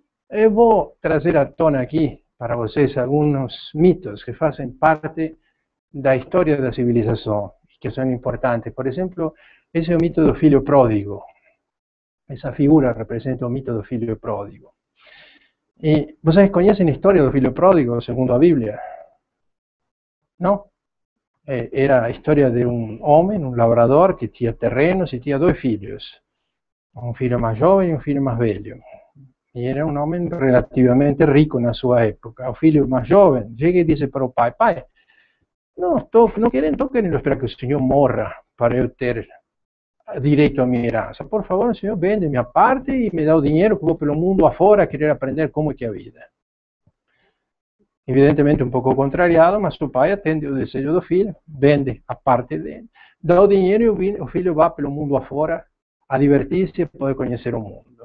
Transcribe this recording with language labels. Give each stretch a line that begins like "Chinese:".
Spanish: Entonces, voy a traer a tona aquí para ustedes algunos mitos que hacen parte de la historia de la civilización, que son importantes. Por ejemplo, ese es el mito del filho pródigo. Esa figura representa el mito del filho pródigo. ¿Y ustedes conocen la historia del filho pródigo según la Biblia? ¿No? Era la historia de un hombre, un labrador, que tenía terrenos y tenía dos hijos. Un hijo más joven y un hijo más bello. Y era un hombre relativamente rico en su época. El hijo más joven llega y dice para el padre: padre, no quieren, no quieren esperar que el señor morra para yo tener
Portuguese: direito à minha herança. Por favor, o senhor vende minha parte e me dá o dinheiro que vou pelo mundo afora querer aprender como é que é a vida. Evidentemente um pouco contrariado, mas o pai atende o desejo do filho, vende a parte dele, dá o dinheiro e o filho vai pelo mundo afora a divertir-se e poder conhecer o mundo.